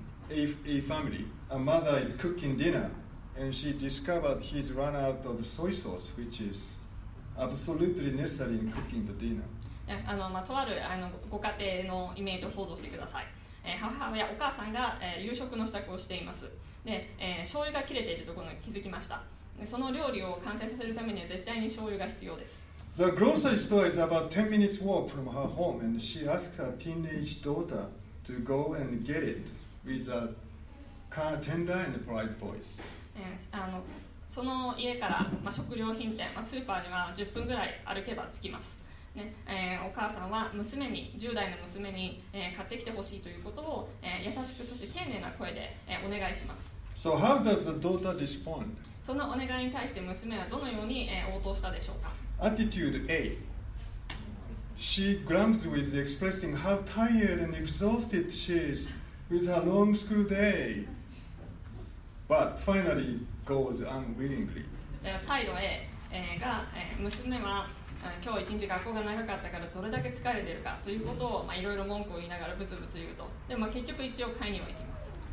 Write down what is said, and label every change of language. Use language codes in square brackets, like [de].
[en] A family, a mother is cooking dinner and she discovers he's run out of soy sauce, which isAbsolutely necessary in cooking the dinner. [ja] とあるご家庭のイメージを想像してください。母親、お母さんが夕食の支度をしています。で、醤油が切れているところに気づきました。その料理を完成させるためには絶対に醤油が必要です。 [en] The grocery store is about 10 minutes walk from her home, and she asks her teenage daughter to go and get it with a kind, tender and polite voice. [ja] その家から、食料品店、スーパーには10分ぐらい歩けば着きます、お母さんは娘に10代の娘に、買ってきてほしいということを、優しくそして丁寧な声で、お願いします。 [en] So how does the daughter respond? [ja] そのお願いに対して娘はどのように、応答したでしょうか。 [en] Attitude A She grumbles with expressing how tired and exhausted she is with her long school day But finallygoes unwillingly. [ja] 態度 A、が、娘は今日一日学校が長かったからどれだけ疲れてるかということを、いろいろ文句を言いながらブツブツ言うと、でも結局一応買いには行きます。